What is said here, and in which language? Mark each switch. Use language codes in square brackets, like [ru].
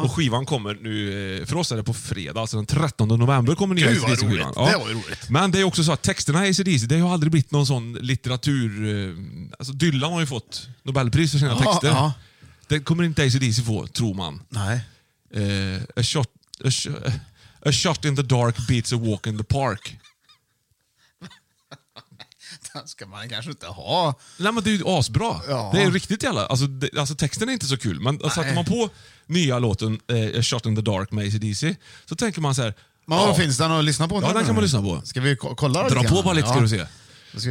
[sv] Och skivan kommer nu, för oss är det på fredag, alltså den 13 november kommer ny AC/DC-skivan. Ja. Det var roligt. Men det är också så att texterna i AC/DC, det har aldrig blivit någon sån litteratur... Alltså Dylan har ju fått Nobelpris för sina texter. Uh-huh. Det kommer inte AC/DC få, tror man. Nej. [en] A shot in the dark beats a walk in the park. [sv] Den ska man kanske inte ha. Nej, men det är ju asbra. Ja. Det är riktigt jävla. Alltså texten är inte så kul. Men sätter man på nya låten A shot in the dark med AC/DC så tänker man så här. Men ja. Finns den att lyssna på? Ja, den kan man lyssna på. Ska vi kolla dra lite på bara lite, ja. Ska du se.